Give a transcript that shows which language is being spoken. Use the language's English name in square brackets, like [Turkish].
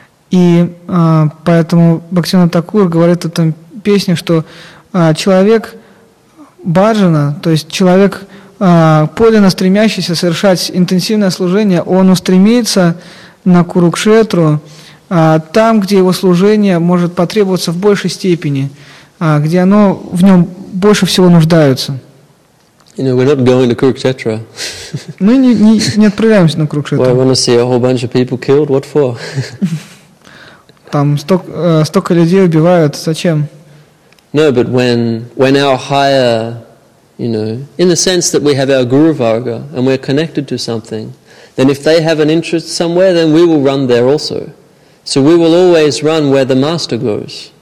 [Russian] И поэтому Бхактивинода Такур говорит в этом песне, что человек баджана, то есть человек подлинно стремящийся совершать интенсивное служение, он устремится на Курукшетру, там, где его служение может потребоваться в большей степени, где оно в нем больше всего нуждается. [English] You know, we're not going to Kurukshetra. [Russian] Мы не отправляемся на Курукшетру. [English] Well, I want to see a whole bunch of people killed. What for? [Russian] Там столько людей убивают. Зачем? [English] No, but when our higher, you know, in the sense that we have our Guru Varga and we're connected to something, then if they have an interest somewhere, then we will run there also. So we will always run where the master goes.